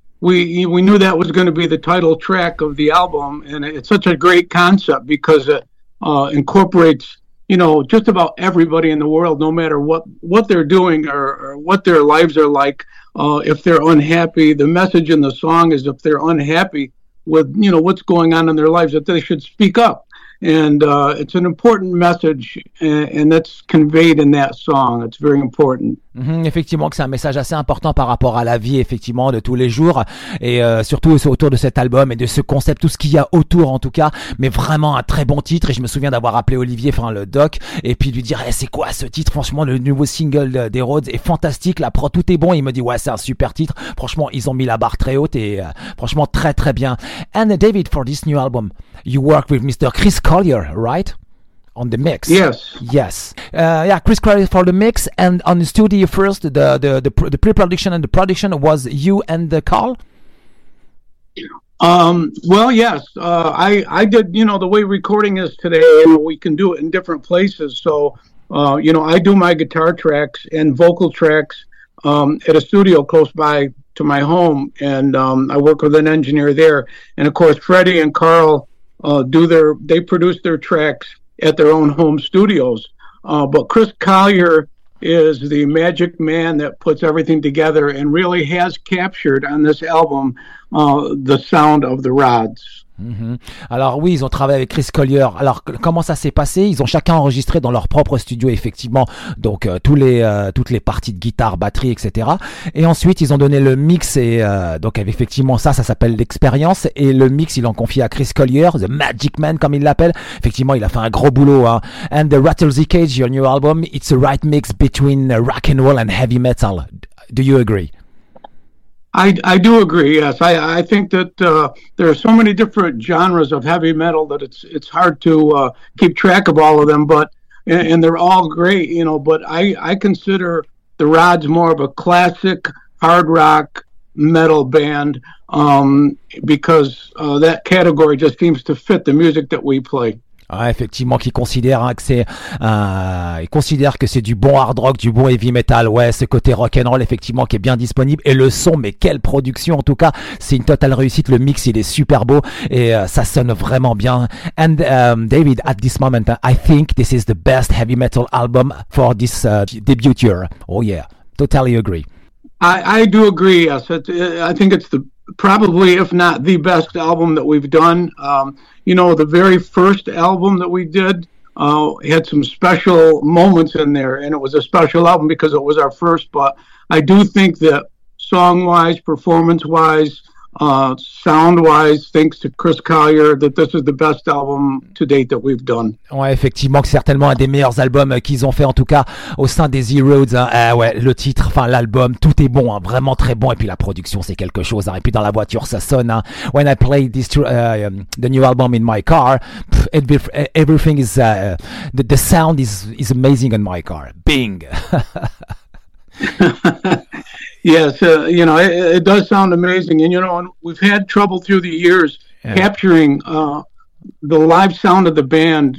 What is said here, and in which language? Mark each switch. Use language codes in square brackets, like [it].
[en] We knew that was going to be the title track of the album, and it's such a great concept because it incorporates, you know, just about everybody in the world, no matter what they're doing or what their lives are like. If they're unhappy, the message in the song is if they're unhappy with, you know, what's going on in their lives, that they should speak up. And it's an important message, and that's conveyed in that song. It's very important. Mm-hmm. [fr] Effectivement, que c'est un message assez important par rapport à la vie, effectivement, de tous les jours, et surtout autour de cet album et de ce concept, tout ce qu'il y a autour, en tout cas. Mais vraiment un très bon titre. Et je me souviens d'avoir appelé Olivier, enfin le Doc, et puis lui dire, hey, c'est quoi ce titre? Franchement, le nouveau single des Rhodes est fantastique. La prod, tout est bon. Et il me dit, ouais, c'est un super titre. Franchement, ils ont mis la barre très haute et franchement très très bien. [en] And David, for this new album, you work with Mr. Chris Collier, right? On the mix. Yes. Yeah, Chris Collier for the mix. And on the studio first, the pre-production and the production was you and the Carl? Well, yes. I did, you know, the way recording is today, you know, we can do it in different places. So, you know, I do my guitar tracks and vocal tracks at a studio close by to my home. And I work with an engineer there. And, of course, Freddie and Carl... they produce their tracks at their own home studios. But Chris Collier is the magic man that puts everything together and really has captured on this album the sound of the Rods. Mm-hmm. [fr] Alors oui, ils ont travaillé avec Chris Collier. Alors comment ça s'est passé? Ils ont chacun enregistré dans leur propre studio, effectivement. Donc toutes les parties de guitare, batterie, etc. Et ensuite ils ont donné le mix et donc effectivement ça s'appelle l'expérience. Et le mix ils l'ont confié à Chris Collier, the Magic Man comme il l'appelle. Effectivement il a fait un gros boulot. Hein. [en] And the Rattles the Cage, your new album, it's a right mix between rock and roll and heavy metal. Do you agree? I do agree, yes. I think that there are so many different genres of heavy metal that it's hard to keep track of all of them, but and they're all great, you know, but I consider the Rods more of a classic hard rock metal band because that category just seems to fit the music that we play. [fr] Ouais, effectivement, qui considère hein, que c'est, il considère que c'est du bon hard rock, du bon heavy metal. Ouais, ce côté rock and roll, effectivement, qui est bien disponible. Et le son, mais quelle production, en tout cas, c'est une totale réussite. Le mix, il est super beau et ça sonne vraiment bien. [en] And David, at this moment, I think this is the best heavy metal album for this debut year. Oh yeah, totally agree. I do agree. Yes, I think it's probably if not the best album that we've done. You know, the very first album that we did had some special moments in there, and it was a special album because it was our first. But I do think that song-wise, performance-wise, sound-wise, thanks to Chris Collier, that this is the best album to date that we've done. [fr] Ouais, effectivement, que certainement un des meilleurs albums qu'ils ont fait, en tout cas, au sein des Z-Roads. Hein. Ouais, le titre, enfin l'album, tout est bon, hein, vraiment très bon. Et puis la production, c'est quelque chose. Hein. Et puis dans la voiture, ça sonne. Hein. [en] When I play this the new album in my car, everything is the sound is amazing in my car. Bing. Yes, you know, it does sound amazing. And, you know, we've had trouble through the years capturing the live sound of the band.